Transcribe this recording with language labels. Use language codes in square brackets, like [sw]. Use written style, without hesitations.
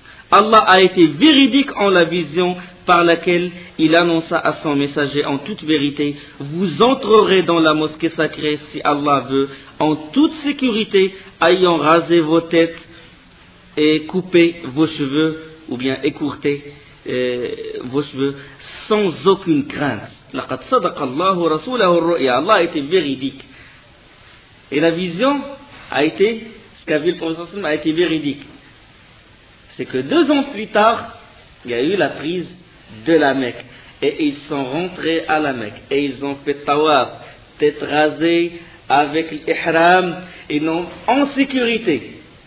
[fr] Allah a été véridique en la vision par laquelle il annonça à son messager en toute vérité, vous entrerez dans la mosquée sacrée si Allah veut en toute sécurité, ayant rasé vos têtes et coupé vos cheveux ou bien écourté vos cheveux sans aucune crainte. [ar] لقد صدق الله رسوله الرؤيا. [fr] Allah a été véridique. Et la vision a été, ce qu'a vu le prophète a été véridique. C'est que 2 ans plus tard, il y a eu la prise de la Mecque. Et ils sont rentrés à la Mecque. Et ils ont fait tawaf, tête rasée, avec l'ihram, et non en sécurité.